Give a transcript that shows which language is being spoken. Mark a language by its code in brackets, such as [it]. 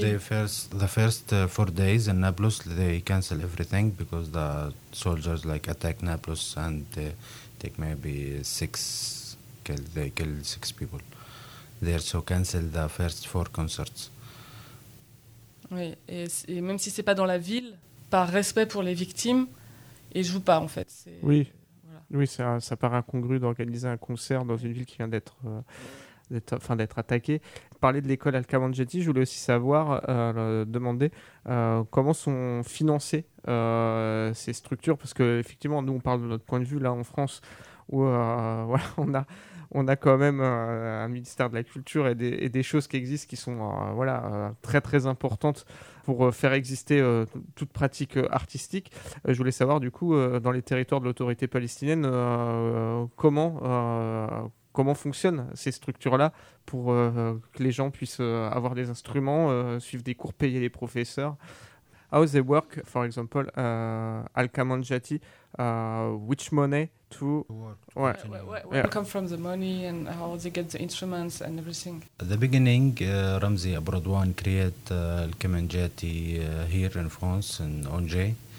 [en] The first 4 days in Nablus, they cancel everything because the soldiers like attack Nablus and take maybe kill six people. They also cancel the first 4 concerts. [fr] Oui, et même si c'est pas dans la ville, par respect pour les victimes, ils jouent pas, en fait. C'est... Oui. Oui, ça paraît incongru d'organiser un concert dans une ville qui vient d'être attaquée. Parler de l'école Al-Kamanjati, je voulais aussi savoir, demander comment sont financées ces structures, parce qu'effectivement, nous, on parle de notre point de vue, là, en France, où voilà, on a quand même un ministère de la Culture et des choses qui existent qui sont voilà, très, très importantes pour faire exister toute pratique artistique. Je voulais savoir, du coup, dans les territoires de l'autorité palestinienne, comment fonctionnent ces structures-là pour que les gens puissent avoir des instruments, suivre des cours, payer les professeurs. [en] How they work, for example, Al-Kamanjati, which money to... Where come from the money and how they get the instruments and everything? At the beginning, Ramzi Abradouan created Al-Kamanjati here in France, in Angers.